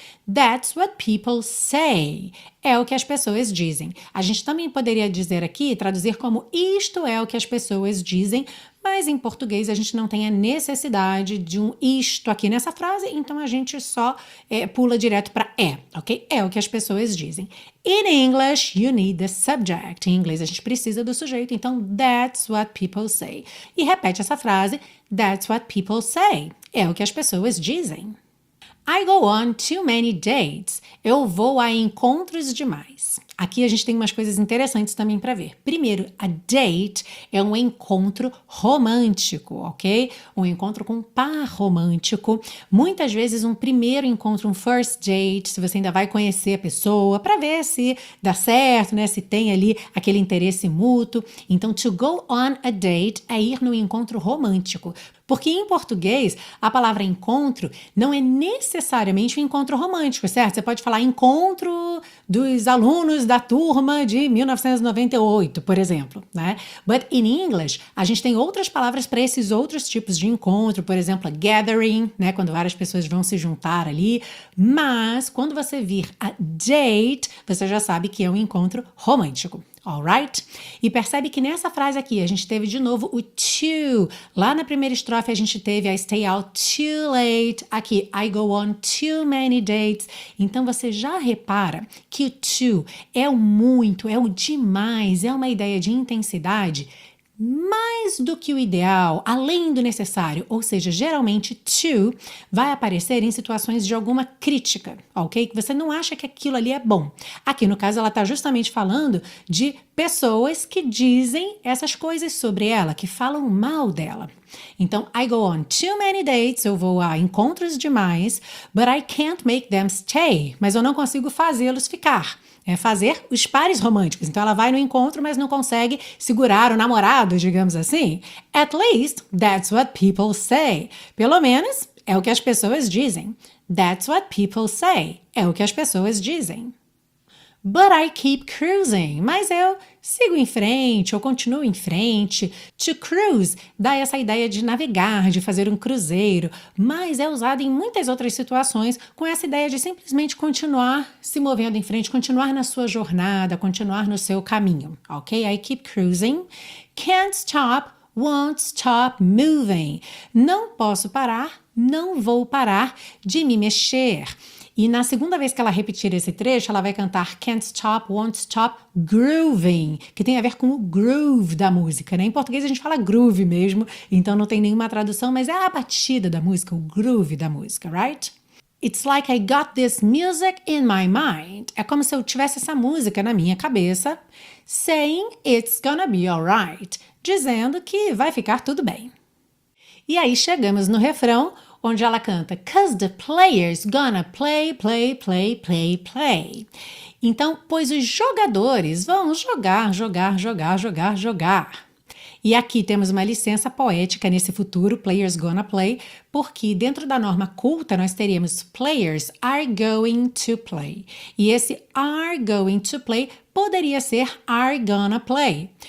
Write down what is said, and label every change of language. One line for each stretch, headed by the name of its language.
English: That's what people say.
Portuguese: É o que as pessoas dizem. A gente também poderia dizer aqui, traduzir como isto é o que as pessoas dizem, mas em português a gente não tem a necessidade de um isto aqui nessa frase, então a gente só pula direto para é, ok? É o que as pessoas dizem.
English: In English, you need the subject.
Portuguese: Em inglês, a gente precisa do sujeito, então
English: that's what people say.
Portuguese: E repete essa frase,
English: that's what people say.
Portuguese: É o que as pessoas dizem.
English: I go on too many dates.
Portuguese: Eu vou a encontros demais. Aqui a gente tem umas coisas interessantes também para ver. Primeiro, a date é um encontro romântico, ok? Um encontro com um par romântico. Muitas vezes um primeiro encontro, um
English: first date,
Portuguese: se você ainda vai conhecer a pessoa para ver se dá certo, né? Se tem ali aquele interesse mútuo. Então,
English: to go on a date
Portuguese: é ir num encontro romântico. Porque em português, a palavra encontro não é necessariamente um encontro romântico, certo? Você pode falar encontro dos alunos da turma de 1998, por exemplo, né?
English: But in English,
Portuguese: a gente tem outras palavras para esses outros tipos de encontro, por exemplo,
English: a gathering,
Portuguese: né? Quando várias pessoas vão se juntar ali. Mas quando você vir a date, você já sabe que é um encontro romântico.
English: Alright?
Portuguese: E percebe que nessa frase aqui a gente teve de novo o too. Lá na primeira estrofe a gente teve
English: I stay out too late.
Portuguese: Aqui,
English: I go on too many dates.
Portuguese: Então você já repara que o too é o muito, é o demais, é uma ideia de intensidade mais do que o ideal, além do necessário, ou seja, geralmente too vai aparecer em situações de alguma crítica, ok? Que você não acha que aquilo ali é bom. Aqui, no caso, ela está justamente falando de pessoas que dizem essas coisas sobre ela, que falam mal dela. Então,
English: I go on too many dates,
Portuguese: eu vou a encontros demais,
English: but I can't make them stay,
Portuguese: mas eu não consigo fazê-los ficar. É fazer os pares românticos. Então, ela vai no encontro, mas não consegue segurar o namorado, digamos assim.
English: At least, that's what people say.
Portuguese: Pelo menos, é o que as pessoas dizem.
English: That's what people say.
Portuguese: É o que as pessoas dizem.
English: But I keep cruising.
Portuguese: Mas eu sigo em frente, ou continuo em frente.
English: To cruise
Portuguese: dá essa ideia de navegar, de fazer um cruzeiro. Mas é usado em muitas outras situações com essa ideia de simplesmente continuar se movendo em frente, continuar na sua jornada, continuar no seu caminho.
English: Ok? I keep cruising. Can't stop, won't stop moving.
Portuguese: Não posso parar, não vou parar de me mexer. E na segunda vez que ela repetir esse trecho, ela vai cantar
English: Can't Stop, Won't Stop Grooving,
Portuguese: que tem a ver com o groove da música, né? Em português a gente fala groove mesmo, então não tem nenhuma tradução, mas é a batida da música, o groove da música,
English: right? It's like I got this music in my mind.
Portuguese: É como se eu tivesse essa música na minha cabeça,
English: saying it's gonna be alright,
Portuguese: dizendo que vai ficar tudo bem. E aí chegamos no refrão, onde ela canta,
English: 'cause the players gonna play, play, play, play, play.
Portuguese: Então, pois os jogadores vão jogar, jogar, jogar, jogar, jogar. E aqui temos uma licença poética nesse futuro,
English: players gonna play,
Portuguese: porque dentro da norma culta nós teríamos
English: players are going to play.
Portuguese: E esse
English: are going to play
Portuguese: poderia ser
English: are gonna play.